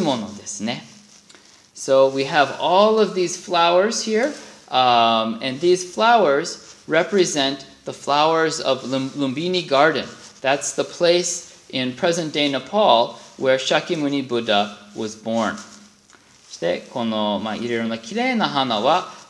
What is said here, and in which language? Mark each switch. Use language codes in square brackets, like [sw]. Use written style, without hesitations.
[ja] この花見堂というのは釈迦牟尼仏のご誕生の物語を表すものですね。So [en] we have all of these flowers here, and these flowers represent the flowers of Lumbini Garden. That's the place in present-day Nepal where Shakyamuni Buddha was born. [ja] そしてこのいろいろな綺麗な花は